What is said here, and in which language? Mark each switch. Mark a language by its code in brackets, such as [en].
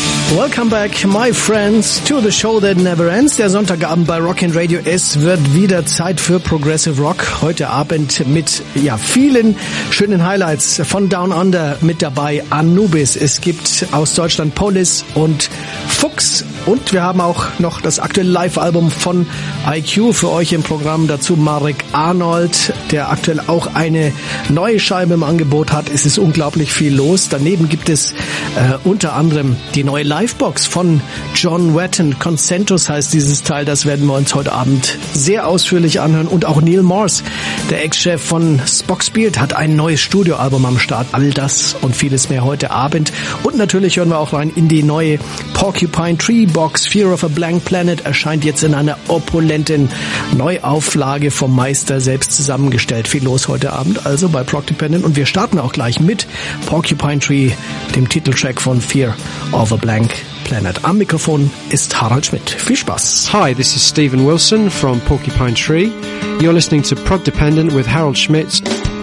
[en] Welcome back, my friends, to the show that never ends. [de] Der Sonntagabend bei Rockin' Radio. Es wird wieder Zeit für Progressive Rock. Heute Abend mit, ja, vielen schönen Highlights von Down Under mit dabei. Anubis. Es gibt aus Deutschland Polis und Fuchs. Und wir haben auch noch das aktuelle Live-Album von IQ für euch im Programm. Dazu Marek Arnold, der aktuell auch eine neue Scheibe im Angebot hat. Es ist unglaublich viel los. Daneben gibt es unter anderem die neue Livebox von John Wetton. Consentus heißt dieses Teil. Das werden wir uns heute Abend sehr ausführlich anhören. Und auch Neil Morse, der Ex-Chef von Spockspiel, hat ein neues Studioalbum am Start. All das und vieles mehr heute Abend. Und natürlich hören wir auch rein in die neue Porcupine Tree Box. Fear of a Blank Planet erscheint jetzt in einer opulenten Neuauflage vom Meister selbst zusammengestellt. Viel los heute Abend also bei Proc Dependent. Und wir starten auch gleich mit Porcupine Tree, dem Titeltrack von Fear of a Blank Planet. Am Mikrofon ist Harald Schmidt. Viel Spaß. [en] Hi, this is Stephen Wilson from Porcupine Tree. You're listening to Prog Dependent with Harald Schmidt.